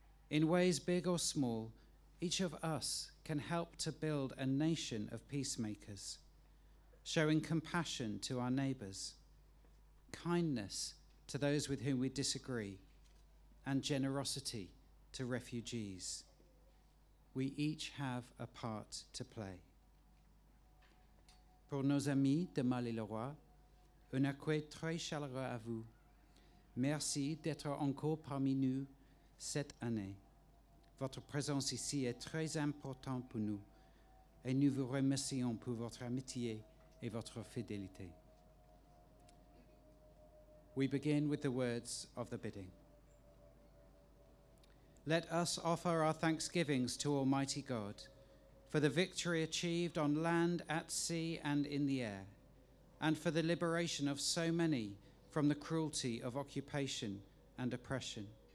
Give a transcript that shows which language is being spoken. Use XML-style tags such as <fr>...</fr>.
<en>In ways big or small, each of us can help to build a nation of peacemakers, showing compassion to our neighbors, kindness to those with whom we disagree, and generosity to refugees. We each have a part to play.</en> <fr>Pour nos amis de Marly-le-Roi, un accueil très chaleureux à vous. Merci d'être encore parmi nous cette année. Votre présence ici est très importante pour nous et nous vous remercions pour votre amitié et votre fidélité.</fr> <en>We begin with the words of the bidding. Let us offer our thanksgivings to Almighty God for the victory achieved on land, at sea, and in the air, and for the liberation of so many from the cruelty of occupation and oppression.</en>